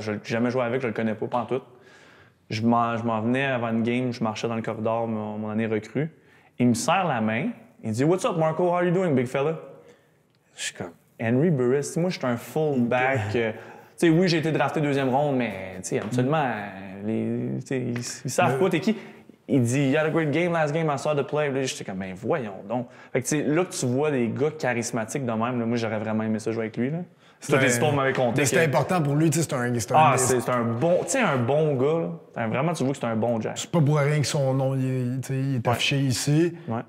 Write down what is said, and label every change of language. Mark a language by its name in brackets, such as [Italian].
[French] Je n'ai jamais joué avec, je ne le connais pas, pantoute. Je m'en venais avant une game, je marchais dans le corridor, mon année recrue. Il me serre la main, il dit « [English] What's up, Marco? How are you doing, big fella? [French] » Je suis comme « Henry Burris, moi, je suis un fullback. » Tu sais, oui, j'ai été drafté 2e ronde, mais tu sais, absolument, ils savent pas t'es qui. Il dit, [English] you had a great game last game, I saw the play. [French] J'étais comme, ben voyons donc. Fait que tu sais, là que tu vois des gars charismatiques de même, là, moi j'aurais vraiment aimé ça jouer avec lui. Là. C'est toutes les histoires m'avaient conté. Mais c'était important pour lui, tu sais, c'est un Ah, c'est un bon, tu sais, un bon gars. Là. Vraiment, tu vois que c'est un bon Jack. C'est pas pour rien que son nom, il est affiché ici. Ouais.